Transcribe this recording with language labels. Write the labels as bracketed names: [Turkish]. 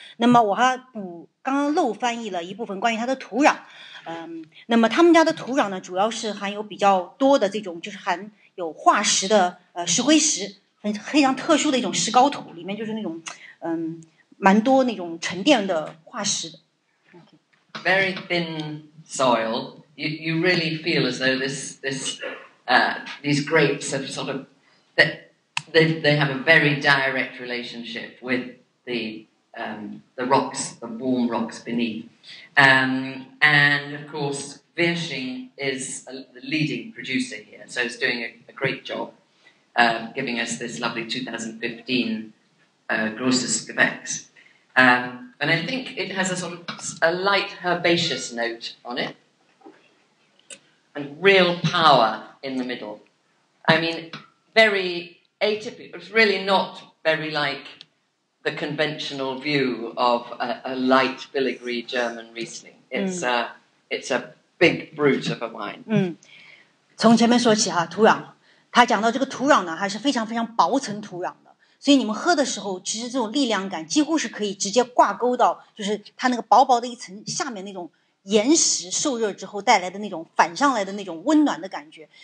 [Chinese] 那么我还补刚刚漏翻译了一部分关于它的土壤，那么他们家的土壤呢主要是含有比较多的这种就是含有化石的石灰石，很非常特殊的一种石膏土，里面就是那种蛮多那种沉淀的化石的。 [English] Very thin soil, you really feel as though these grapes have sort of they have a very direct relationship with the rocks, the warm rocks beneath. And of course, Riesling is the leading producer here, so it's doing a great job giving us this lovely 2015 Grosses Gewächs. And I think it has a sort of a light herbaceous note on it, and real power in the middle. I mean, very atypical, it's really not very like... the conventional view of a light filigree German Riesling. It's a big brute of a wine. [Chinese] 从前面说起哈，土壤，他讲到这个土壤呢，还是非常非常薄层土壤的。所以你们喝的时候，其实这种力量感几乎是可以直接挂钩到，就是它那个薄薄的一层下面那种岩石受热之后带来的那种反上来的那种温暖的感觉。